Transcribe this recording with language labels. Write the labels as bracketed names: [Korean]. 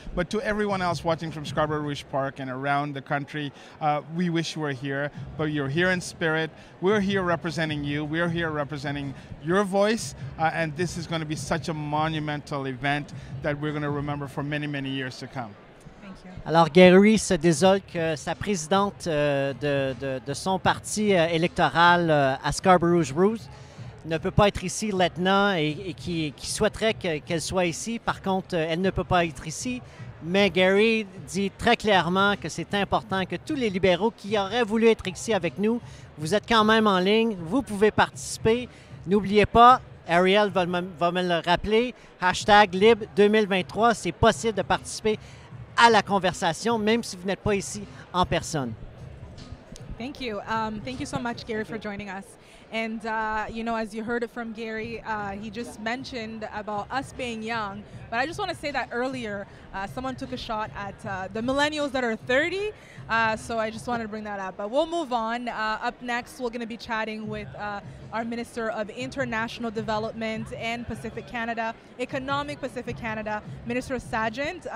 [English] But to everyone else watching from Scarborough Rouge Park and around the country, we wish you were here, but you're here in spirit. We're here representing you. We're here representing your voice, and this is going to be such a monumental event that we're going to remember for many, many years to come. [French] Alors, Gary se désole que sa présidente de son parti électoral à Scarborough Rouge ne peut pas être ici, Letna, et qui souhaiterait qu'elle soit ici. Par contre, elle ne peut pas être ici. Mais Gary dit très clairement que c'est important que tous les libéraux qui auraient voulu être ici avec nous, vous êtes quand même en ligne, vous pouvez participer. N'oubliez pas, Ariel va me le rappeler, hashtag Lib2023, c'est possible de participer à la conversation, même si vous n'êtes pas ici en personne. [English] Thank you. Thank you so much, Gary, for joining us. And, you know, as you heard it from Gary, he just mentioned about us being young. But I just want to say that earlier, someone took a shot at the millennials that are 30. So I just wanted to bring that up. But we'll move on. Up next, we're going to be chatting with our Minister of International Development and Pacific Canada, Economic Pacific Canada, Minister Sargent.